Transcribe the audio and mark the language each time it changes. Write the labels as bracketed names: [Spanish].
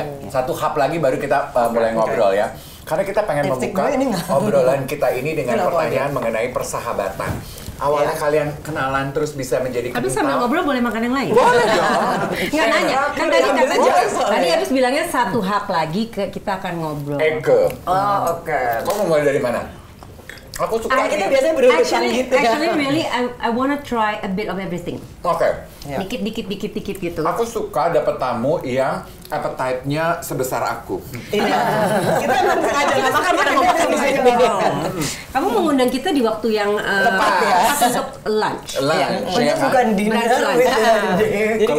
[Indonesian] Satu hap lagi baru kita mulai ngobrol ya. Karena kita pengen membuka obrolan kita ini dengan pertanyaan mengenai persahabatan. Awalnya kalian kenalan terus bisa menjadi kenal. Tapi sambil ngobrol boleh makan yang lain? Boleh dong. Nggak nanya. Kan tadi tadi habis bilangnya satu hap lagi kita akan ngobrol. Eke. Oh, oke. Kamu mau mulai dari mana? Aku suka. Kita biasanya berurusan gitu. [English] Actually, really, I wanna try a bit of everything. [Indonesian] Oke. Dikit-dikit gitu. Aku suka dapat tamu yang appetite-nya sebesar aku. Iya. Kita enggak sengaja enggak makan pada mau makan di sini. Kamu mengundang kita di waktu yang tepat ya. Untuk lunch. [English] Lunch. [Indonesian] Ya, bukan dinner. Jadi kita